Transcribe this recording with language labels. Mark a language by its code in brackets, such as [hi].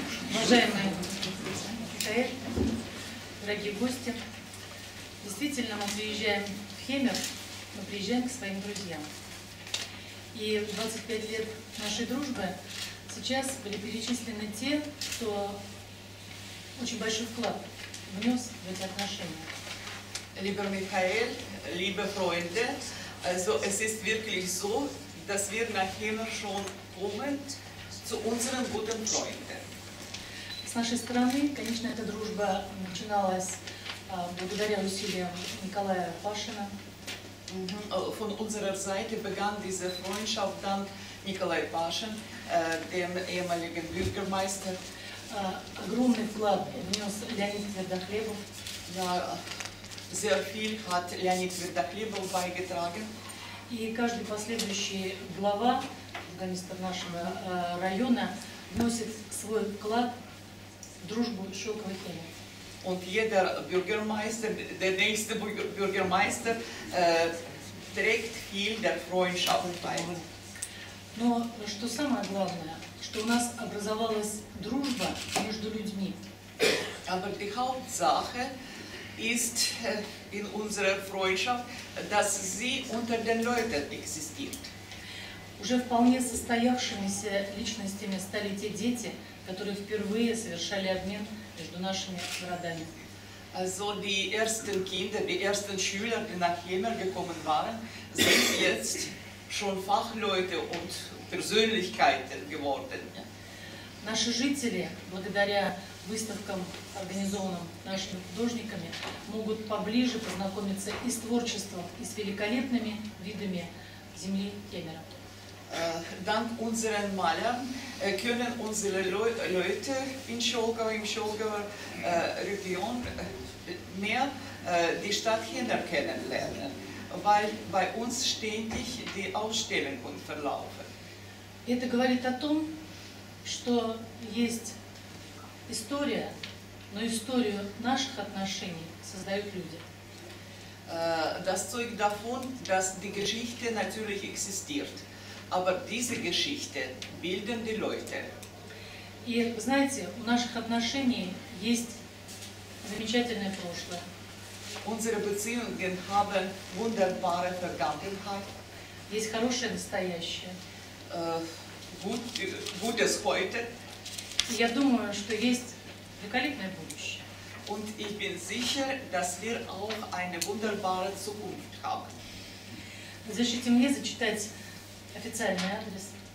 [ru] Уважаемые Михаил, дорогие гости, действительно мы приезжаем в Хемер, мы приезжаем к своим друзьям. И 25 лет нашей дружбы сейчас были перечислены те, кто очень большой вклад внес в эти отношения. [de] Lieber Michael, liebe Freunde, also es ist wirklich so, dass wir nach Hemer schon kommen zu unseren guten Freunden. [ru] С нашей стороны, конечно, эта дружба начиналась благодаря усилиям Николая Пашина. [de] Von unserer Seite begann diese Freundschaft dank Николая Пашин, dem ehemaligen Bürgermeister. [ru] Огромный вклад внес Леонид Твердохлебов. [de] Ja, sehr viel hat Леонид Твердохлебов beigetragen. [ru] И каждый последующий глава, бургомистр нашего района, вносит свой вклад Дружбу Шелковой Хемер. [de] Und jeder Bürgermeister, der nächste Bürgermeister, trägt viel der Freundschaft bei. [ru] Но что самое главное, что у нас образовалась дружба между людьми. [de] Aber die Hauptsache ist in unserer Freundschaft, dass sie unter den Leuten existiert. [ru] Уже вполне состоявшимися личностями стали те дети, которые впервые совершали обмен между нашими городами. [de] Also die ersten Kinder, die ersten Schüler, die nach Hemer gekommen waren, sind jetzt schon Fachleute und Persönlichkeiten geworden. [ru] Наши жители, благодаря выставкам, организованным нашими художниками, могут поближе познакомиться и с творчеством, и с великолепными видами земли Хемера. [de] Dank unseren Malern können unsere Leute in Chiemgau, im Chiemgauer Region, mehr die Stadt Hemer kennenlernen, weil bei uns ständig die Ausstellungen verlaufen. [ru] Это говорит о том, что есть история, но историю наших отношений создают люди. [de] Das zeugt davon, dass die Geschichte natürlich existiert. Aber diese Geschichte bilden die Leute. [ru] И вы знаете, у наших отношений есть замечательное прошлое. [de] Unsere Beziehungen haben wunderbare Vergangenheit. [ru] Есть хорошее настоящее. [de] Gutes heute. [ru] И я думаю, что есть великолепное будущее. [de] Und ich bin sicher, dass wir auch eine wunderbare Zukunft haben. [ru] Разрешите мне зачитать официальный адрес.